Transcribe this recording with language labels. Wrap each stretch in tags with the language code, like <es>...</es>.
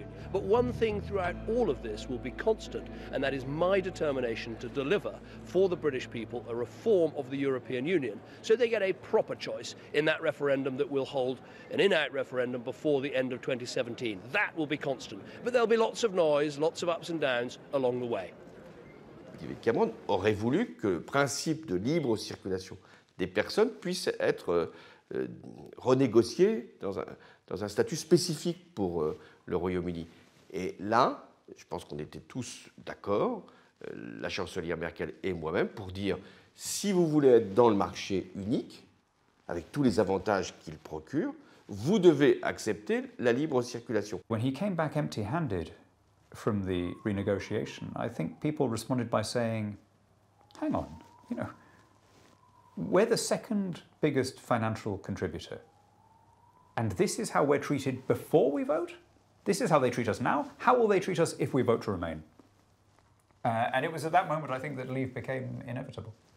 <en>But one thing throughout all of this will be constant, and that is my determination to deliver for the British people a reform of the European Union so they get a proper choice in that referendum that will hold an in-out referendum before the end of 2017. That will be constant. But there'll be lots of noise, lots of ups and downs along the way.</en> <fr>David Cameron aurait voulu que le principe de libre circulation des personnes puisse être renégocié dans un statut spécifique pour le Royaume-Uni. Et là, je pense qu'on était tous d'accord, la chancelière Merkel et moi-même, pour dire, si vous voulez être dans le marché unique, avec tous les avantages qu'il procure, vous devez accepter la libre circulation.</fr> <en>When he came back empty-handed from the renegotiation, I think people responded by saying, hang on, you know, we're the second biggest financial contributor, and this is how we're treated before we vote? This is how they treat us now. How will they treat us if we vote to remain? And it was at that moment, I think, that leave became inevitable.</en>